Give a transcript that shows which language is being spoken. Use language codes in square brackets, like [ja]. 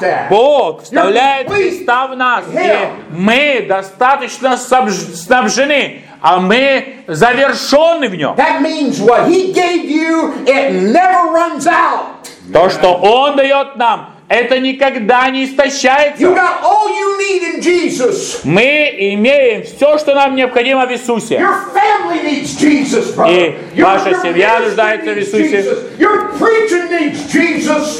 [ru] Бог вставляет Христа в нас, и мы достаточно снабжены. А мы завершены в нем. [en] That means what he gave you, it never runs out. [ru] То, что он дает нам, это никогда не истощается. [en] You got all you need in Jesus. [ru] Мы имеем все, что нам необходимо в Иисусе. [en] Your family needs Jesus, brother. [ru] И ваша семья нуждается в Иисусе. [en] Your preaching needs Jesus.